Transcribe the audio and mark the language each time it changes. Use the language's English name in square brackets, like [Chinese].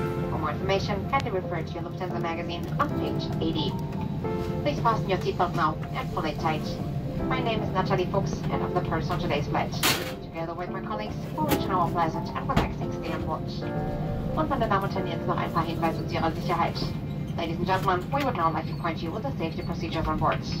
[English] For more information, kindly refer to your Lufthansa magazine on page 80. Please fasten your seatbelt now and pull it tight. My name is Natalie Fuchs and I'm the person on today's flight. Together with my colleagues, we wish you a pleasant and relaxing stay on board. [German] Unsere Damen und Herren, noch ein paar Hinweise zu Ihrer Sicherheit. [English] Ladies and gentlemen, we would now like to acquaint you with the safety procedures on board.